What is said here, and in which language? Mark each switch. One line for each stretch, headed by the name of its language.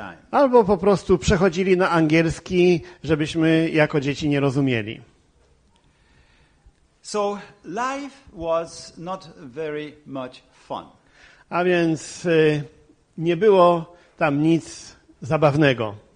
Polish: Albo po prostu przechodzili na angielski, żebyśmy jako dzieci nie rozumieli.
English: So life was not very much fun.
Polish: A więc nie było tam nic zabawnego.